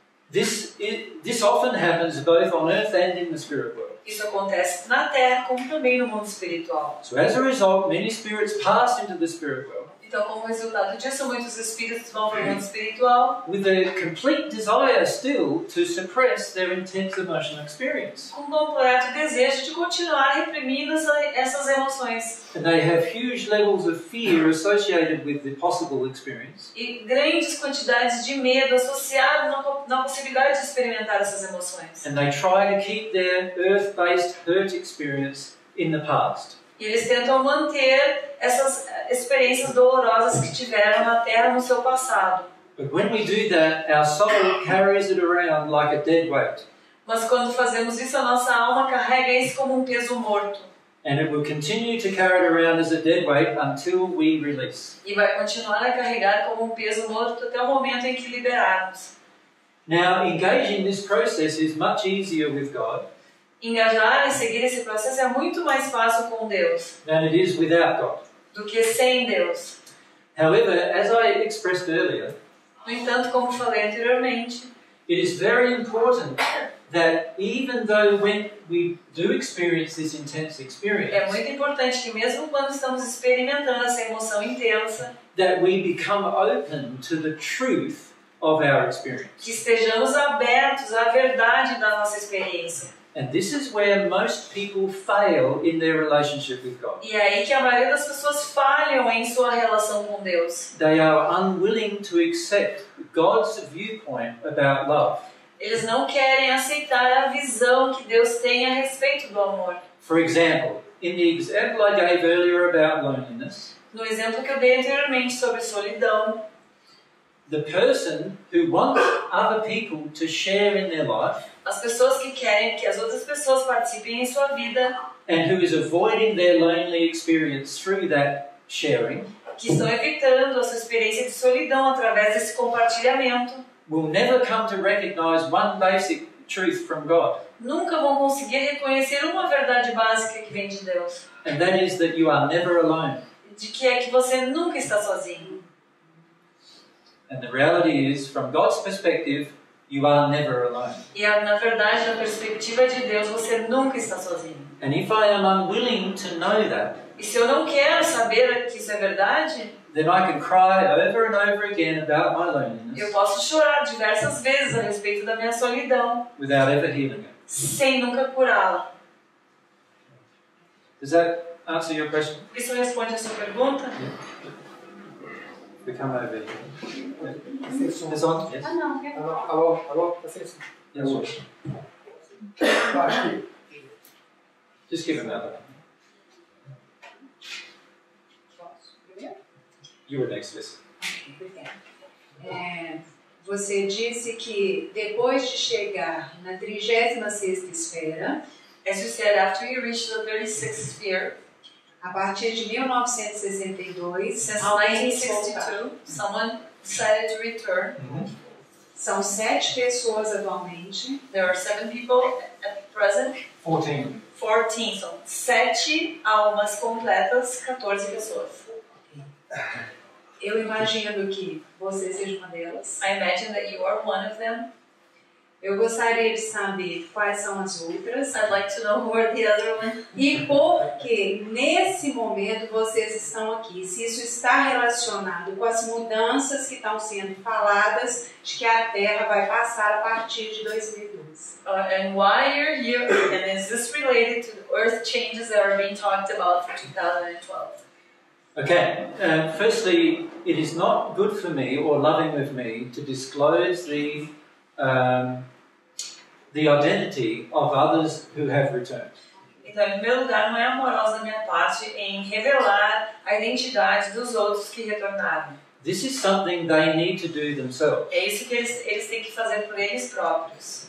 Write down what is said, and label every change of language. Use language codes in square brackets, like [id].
[en] This often happens both on earth and in the spirit world. [pt] Isso acontece na Terra como também no mundo espiritual. [en] So as a result, many spirits pass into the spirit world. [pt] Então, como resultado disso, muitos espíritos vão para o mundo espiritual. [en] With a complete desire still to suppress their intense emotional experience. [pt] Com completo desejo de continuar reprimindo essas emoções. [en] And they have huge levels of fear associated with the possible experience. [pt] E grandes quantidades de medo associadas na possibilidade de experimentar essas emoções. [en] And they try to keep their earth-based hurt experience in the past. [pt] E eles tentam manter essas experiências dolorosas que tiveram na Terra no seu passado. [en] But when we do that, our soul carries it around like a dead weight. [pt] Mas quando fazemos isso, a nossa alma carrega isso como peso morto. [en] And it will continue to carry it around as a dead weight until we release. [pt] E vai continuar a carregar como peso morto até o momento em que liberarmos. [en] Now, engaging this process is much easier with God. [pt] Engajar e seguir esse processo é muito mais fácil com Deus [en] than it is without God. [pt] Do que sem Deus. [en] However, as I expressed earlier, [pt] no entanto, como falei anteriormente, [en] it is very important that even though when we do experience this intense experience, [pt] é muito importante que mesmo quando estamos experimentando essa emoção intensa, [en] that we become open to the truth of our experience. [pt] Que estejamos abertos à verdade da nossa experiência. [en] And this is where most people fail in their relationship with God. [pt] E é aí que a maioria das pessoas falham em sua relação com Deus. [en] They are unwilling to accept God's viewpoint about love. [pt] Eles não querem aceitar a visão que Deus tem a respeito do amor. [en] For example, in the example I gave earlier about loneliness, [pt] no exemplo que eu dei anteriormente sobre solidão, [en] the person who wants other people to share in their life, [pt] as pessoas que querem que as outras pessoas participem em sua vida, [en] and who is avoiding their lonely experience through that sharing, [pt] que estão evitando a sua experiência de solidão através desse compartilhamento, [en] will never come to recognize one basic truth from God. [pt] Nunca vão conseguir reconhecer uma verdade básica que vem de Deus. [en] And that is that you are never alone. [pt] De que é que você nunca está sozinho. [en] And the reality is, from God's perspective, you are never alone. [pt] E na verdade, na perspectiva de Deus, você nunca está sozinho. [en] And if I am unwilling to know that, [pt] e se eu não quero saber que isso é verdade, [en] then I can cry over and over again about my loneliness. [pt] Eu posso chorar diversas vezes a respeito da minha solidão. [en] Without ever healing it. [pt] Sem nunca curá-la. [en] Does that answer your question? [pt] Isso responde a sua pergunta? [en] Yeah. Come over here. Is on? Yes. Hello. Hello. Hello. Yes. Just give him another one. You were next to this. [pt] Você disse que depois de chegar na 36ª esfera, [en] as you said, after you reach the 36th sphere, [pt] a partir de [en] 1962, someone decided to return. [pt] São 7 pessoas atualmente. [en] There are 7 people at present. 14. [pt] 14. So, 7 almas completas, 14 pessoas. Eu imagino que você seja uma delas. [en] I imagine that you are one of them. [pt] Eu gostaria de saber quais são as outras. [en] I'd like to know who are the other ones. [pt] E por que nesse momento vocês estão aqui? Se isso está relacionado com as mudanças que estão sendo faladas de que a Terra vai passar a partir de 2012. [en] And why you're here? And is this related to the Earth changes that are being talked about for 2012? Okay, firstly, it is not good for me or loving of me to disclose the identity of others who have returned. [pt] Então, em primeiro lugar, não é amoroso da minha parte em revelar a identidade dos outros que retornaram. [en] This is something they need to do themselves. [pt] É isso que eles têm que fazer por eles próprios.